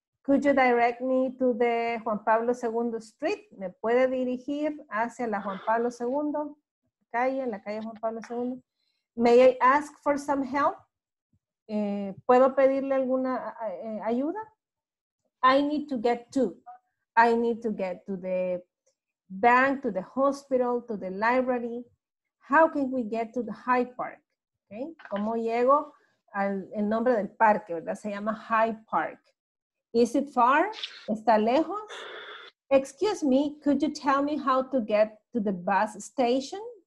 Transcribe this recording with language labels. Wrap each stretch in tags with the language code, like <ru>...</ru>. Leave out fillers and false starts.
<en>Could you direct me to the Juan Pablo II Street?</en> <es>¿Me puede dirigir hacia la Juan Pablo II? Calle, la calle Juan Pablo II.</es> <en>May I ask for some help?</en> <es>¿Puedo pedirle alguna ayuda?</es> <en>I need to get to. I need to get to the bank, to the hospital, to the library. How can we get to the Hyde Park? Okay.</en> <es>¿Cómo llego al el nombre del parque, verdad? Se llama Hyde Park.</es> <en>Is it far?</en> <es>¿Está lejos?</es> <en>Excuse me, could you tell me how to get to the bus station?</en>